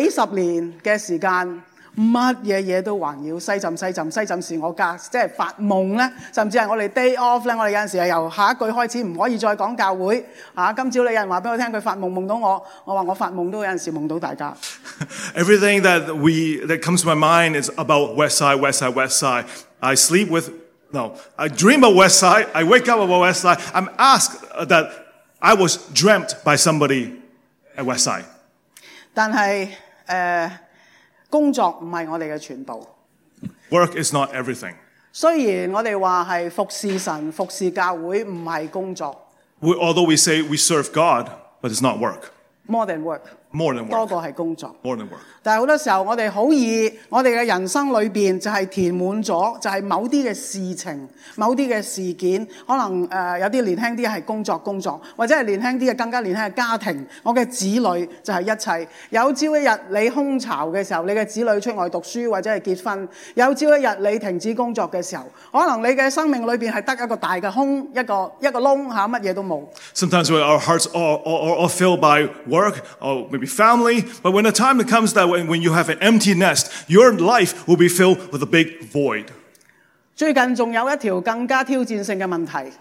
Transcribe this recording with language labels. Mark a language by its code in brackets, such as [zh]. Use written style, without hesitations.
[yue] 几十年嘅时间，乜嘢嘢都環繞西浸西浸西浸是我家，即係發夢咧，甚至係我哋 day off 咧，我哋有陣時係由下一句開始唔可以再講教會嚇、啊。今朝你有人話俾我聽，佢發夢夢到我，我話我發夢都有陣時夢到大家。 [en] Everything that comes to my mind is about West Side. I sleep with no. I dream of West Side. I wake up about West Side. I'm asked that I was dreamt by somebody at West Side. [yue] 但係工作唔係我哋嘅全部。 [en] Work is not everything. [yue] 雖然我哋話係服侍神、服侍教會，唔係工作。 [en] Although we say we serve God, but it's not work. More than work. More than work. [yue] 多過係工作。 [en] More than work. [yue] 但係好多時候，我哋好易，我哋嘅人生裏邊就係填滿咗，就係某啲嘅事情、某啲嘅事件。可能有啲年輕啲係工作，或者係年輕啲嘅更加年輕嘅家庭。我嘅子女就係一切。有朝一日你空巢嘅時候，你嘅子女出外讀書或者係結婚；有朝一日你停止工作嘅時候，可能你嘅生命裏邊係得一個大嘅空，一個窿嚇，乜嘢都冇。 [en] Sometimes when our hearts are filled by work or maybe family, but when the time comes that when you have an empty nest, your life will be filled with a big void. [yue] 最近仲有一条更加挑战性嘅问题。